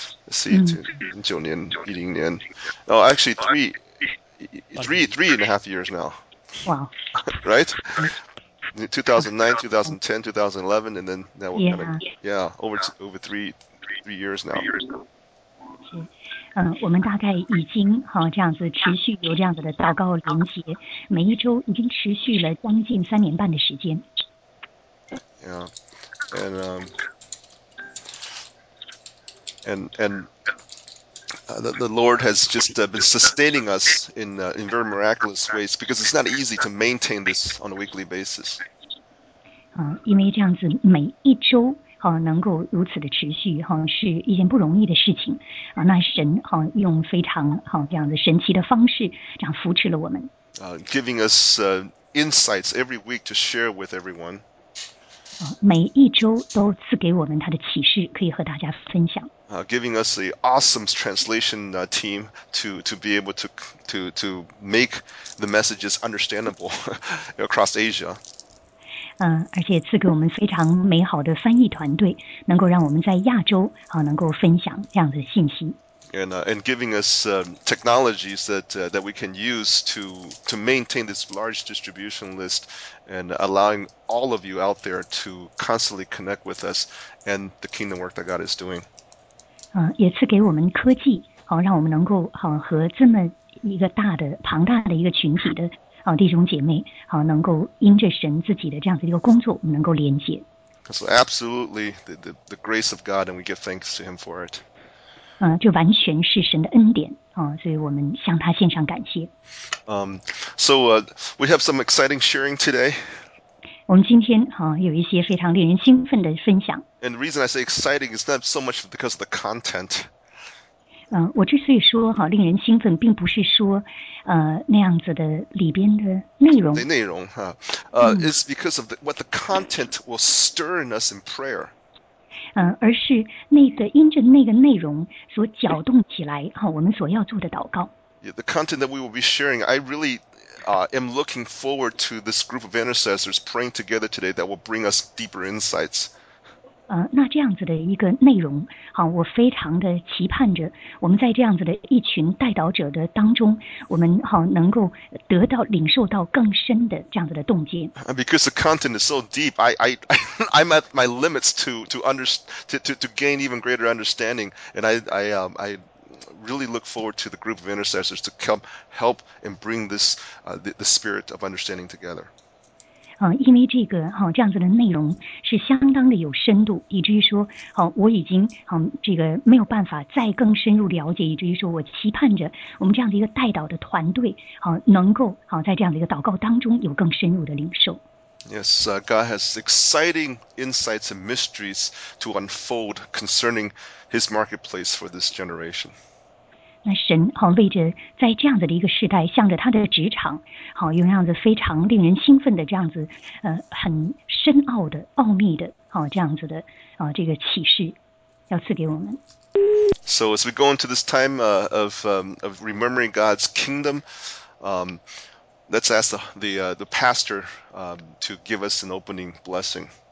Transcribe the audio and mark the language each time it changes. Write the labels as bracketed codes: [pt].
[en] Let's see, 2019, 2010. Oh, actually, three and a half years now, right? 2009, 2010, 2011, and then now we're kind of over three years now. [zh] 我们大概已经这样子持续有这样子的祷告连结，每一周已经持续了将近3年半的时间。 [en] The Lord has just been sustaining us in very miraculous ways because it's not easy to maintain this on a weekly basis. [zh] 因为这样子每一周能够如此的持续是一件不容易的事情那神用非常这样子神奇的方式这样扶持了我们。 [en] Giving us insights every week to share with everyone. [zh] 每一周都赐给我们他的启示，可以和大家分享。 [en] Giving us the awesome translation team to be able to make the messages understandable across Asia. [zh] 而且赐给我们非常美好的翻译团队，能够让我们在亚洲能够分享这样的信息。 [en] And giving us technologies that we can use to maintain this large distribution list and allowing all of you out there to constantly connect with us and the kingdom work that God is doing. [zh] 也赐给我们科技，让我们能够和这么一个大的、庞大的一个群体的弟兄姐妹，能够因着神自己的这样子一个工作，我们能够连接。 [en] So absolutely, the grace of God, and we give thanks to Him for it. [zh] 就完全是神的恩典所以我们向他献上感谢。 [en] We have some exciting sharing today. [zh] 我们今天有一些非常令人兴奋的分享。 [en] And the reason I say exciting is not so much because of the content. [zh] 我之所以说令人兴奋，并不是说那样子的里边的内容，的内容哈， [en] is because of what the content will stir in us in prayer. [zh] 而是那个因着那个内容所搅动起来我们所要做的祷告。 [en] The content that we will be sharing, I really am looking forward to this group of intercessors praying together today that will bring us deeper insights. [zh] 那这样子的一个内容，我非常的期盼着我们在这样子的一群代祷者的当中，我们能够得到领受到更深的这样子的洞见。 [en] Because the content is so deep, I'm at my limits to gain even greater understanding, and I really look forward to the group of intercessors to come help and bring this the spirit of understanding together. [zh] 因为这个哈、这样子的内容是相当的有深度，以至于说好、我已经好、这个没有办法再更深入了解，以至于说我期盼着我们这样的一个代祷的团队好、能够好、在这样的一个祷告当中有更深入的领受。 [en] Yes,、God has exciting insights and mysteries to unfold concerning His marketplace for this generation. [zh] 那神好、为着在这样子的一个时代，向着他的职场，好、用这样子非常令人兴奋的这样子，很深奥的、奥秘的，好、这样子的啊、这个启示，要赐给我们。 [en] So as we go into this time of remembering God's kingdom, Let's ask the pastor to give us an opening blessing.